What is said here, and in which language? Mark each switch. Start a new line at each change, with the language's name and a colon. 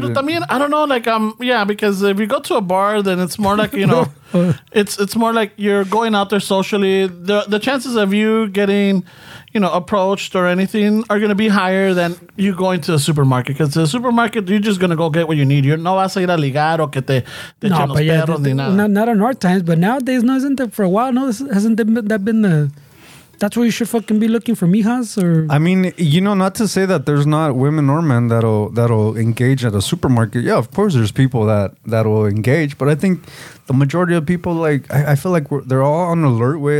English: But, I don't know, because if you go to a bar, then it's more like, you know, it's more like you're going out there socially. The chances of you getting, you know, approached or anything are going to be higher than you going to a supermarket. Because the supermarket, you're just going to go get what you need. You're
Spanish: no vas a ir a ligar o que te echen los perros ni nada.
English: Not in our times, but nowadays, no, isn't it? For a while, no, this hasn't been the... That's where you should fucking be looking for mijas, or... I mean, you know, not to say that there's not women or men that'll engage at a supermarket. Yeah, of course there's people that'll engage. But I think the majority of people, like, I feel like they're all on alert way.